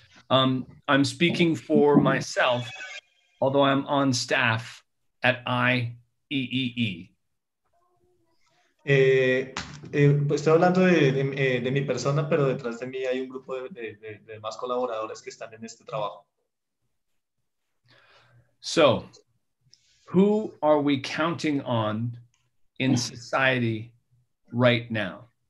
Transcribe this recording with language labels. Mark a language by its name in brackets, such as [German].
[English] I'm speaking for myself, although I'm on staff at IEEE. [Spanish] Estoy hablando de mi persona, pero detrás de mí hay un grupo de más colaboradores que están en este trabajo. [English] So, who are we counting on in society right now?